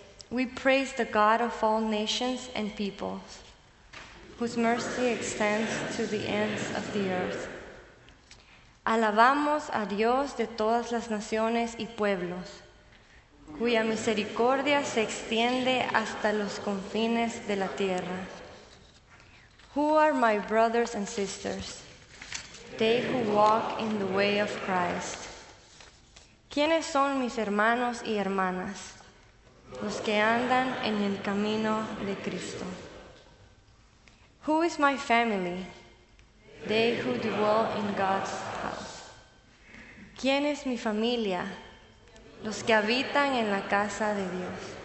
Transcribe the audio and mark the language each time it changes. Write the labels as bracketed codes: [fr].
[en] We praise the God of all nations and peoples, whose mercy extends to the ends of the earth. [es] Alabamos a Dios de todas las naciones y pueblos, cuya misericordia se extiende hasta los confines de la tierra. [en] Who are my brothers and sisters? They who walk in the way of Christ. [es] ¿Quiénes son mis hermanos y hermanas? Los que andan en el camino de Cristo. Who is my family? [en] They who dwell in God's house. ¿Quién es mi familia? [es] Los que habitan en la casa de Dios.